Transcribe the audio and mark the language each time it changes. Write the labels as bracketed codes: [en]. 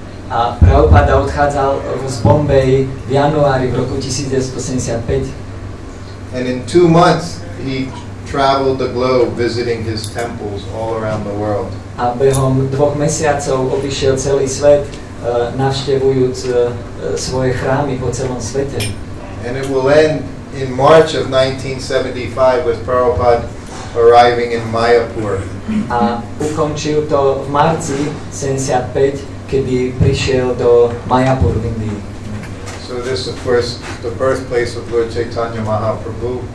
[sk] A Prabhupada odchádzal z Bombay v januári v roku 1975. [en] And in 2 months he traveled the globe visiting his temples all around the world. [sk] A behom dvoch mesiacov obišiel celý svet, navštevujúc svoje chrámy po celom svete. [en] And it will end in March of 1975 with Prabhupada arriving in Mayapur. [sk] A ukončil to v marci 75, kedy prišiel do Mayapur v Indii. [en] So this of course the birthplace of Lord Chaitanya Mahaprabhu.